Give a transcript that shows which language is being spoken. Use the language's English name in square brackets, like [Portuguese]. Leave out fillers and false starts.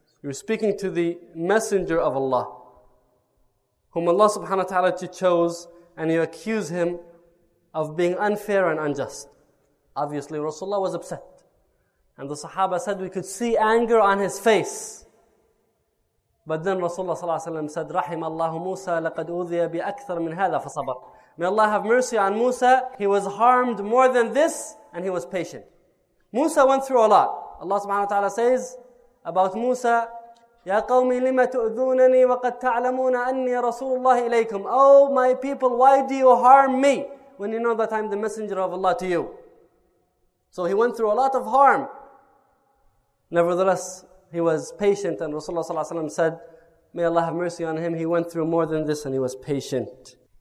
[English] You're speaking to the messenger of Allah, whom Allah subhanahu wa ta'ala chose, and you accuse him of being unfair and unjust. Obviously, Rasulullah was upset. And the Sahaba said, we could see anger on his face. But then Rasulullah sallallahu alayhi wa sallam said, [Arabic] رحم الله موسى لقد أوذي بأكثر من هذا فصبر. [English] May Allah have mercy on Musa. He was harmed more than this and he was patient. Musa went through a lot. Allah subhanahu wa ta'ala says about Musa, [Arabic] يا قومي لما تؤذونني وقد تعلمون أني رسول الله إليكم. [English] Oh my people, why do you harm me when you know that I'm the messenger of Allah to you? So he went through a lot of harm. Nevertheless, he was patient, and Rasulullah ﷺ said, may Allah have mercy on him. He went through more than this and he was patient.